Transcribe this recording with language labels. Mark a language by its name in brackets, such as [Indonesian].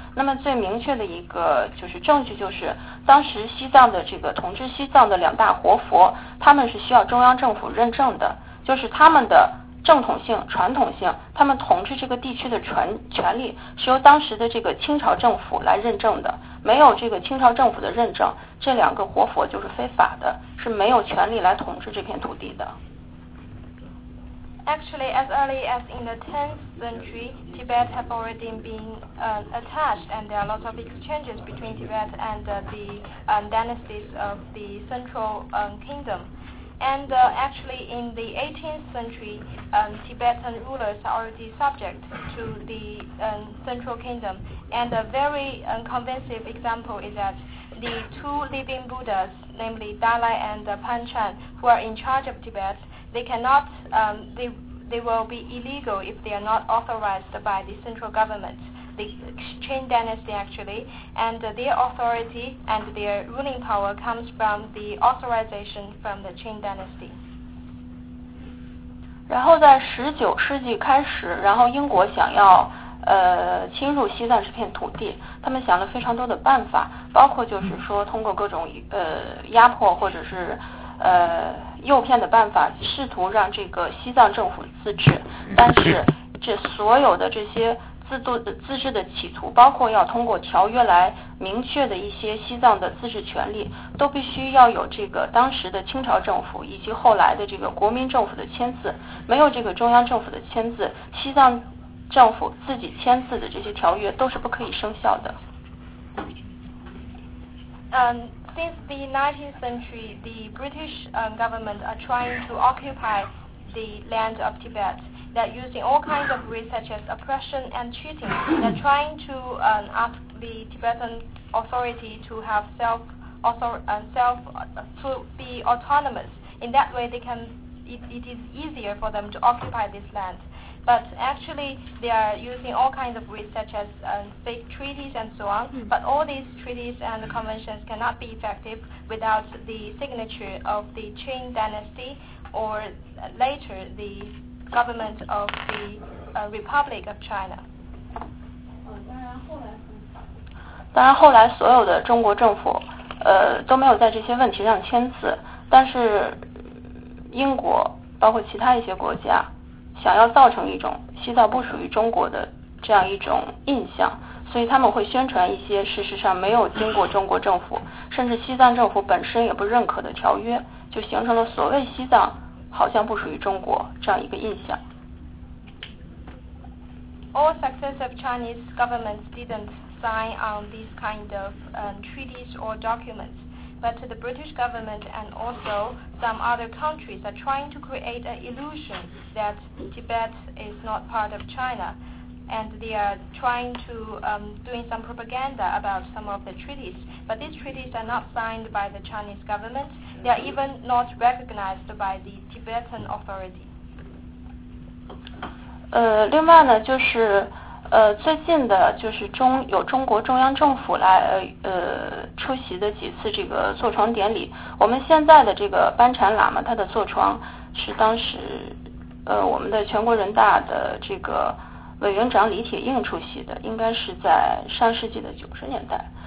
[Chinese] 那么最明确的一个就是证据，就是当时西藏的这个统治西藏的两大活佛，他们是需要中央政府认证的，就是他们的正统性、传统性，他们统治这个地区的权力是由当时的这个清朝政府来认证的，没有这个清朝政府的认证，这两个活佛就是非法的，是没有权利来统治这片土地的。 [English] Actually, as early as in the 10th century, Tibet had already been attached, and there are lots of exchanges between Tibet and the dynasties of the central kingdom. And actually, in the 18th century, Tibetan rulers are already subject to the central kingdom. And a very convincing example is that the two living Buddhas, namely Dalai and Panchen, who are in charge of Tibet,They cannot, they will be illegal if they are not authorized by the central government, the Qin dynasty actually, and their authority and their ruling power comes from the authorization from the Qin dynasty. [Chinese] 然后在19世纪开始，然后英国想要侵入西藏这片土地，他们想了非常多的办法，包括就是说通过各种压迫或者是诱骗的办法，试图让这个西藏政府自治，但是这所有的这些自治的企图，包括要通过条约来明确的一些西藏的自治权利，都必须要有这个当时的清朝政府以及后来的这个国民政府的签字，没有这个中央政府的签字，西藏政府自己签字的这些条约都是不可以生效的。 [English] Since the 19th century, the British government are trying to occupy the land of Tibet. They're using all kinds of ways such as oppression and cheating. They're trying to ask the Tibetan authority to have to be autonomous. In that way, it is easier for them to occupy this land. But actually, they are using all kinds of ways such as fake treaties and so on. But all these treaties and conventions cannot be effective without the signature of the Qin dynasty or later the government of the Republic of China. [Chinese] 当然后来所有的中国政府都没有在这些问题上签字，但是英国包括其他一些国家想要造成一种西藏不属于中国的这样一种印象，所以他们会宣传一些事实上没有经过中国政府甚至西藏政府本身也不认可的条约，就形成了所谓西藏好像不属于中国这样一个印象。 [English] All successive Chinese governments didn't sign on these kind of treaties or documentsBut the British government and also some other countries are trying to create an illusion that Tibet is not part of China. And they are trying to doing some propaganda about some of the treaties. But these treaties are not signed by the Chinese government. They are even not recognized by the Tibetan authority. [Chinese] 另外呢，就是最近的就是有中国中央政府来出席的几次这个坐床典礼，我们现在的这个班禅喇嘛他的坐床是当时我们的全国人大的这个委员长李铁映出席的，应该是在上世纪的90年代。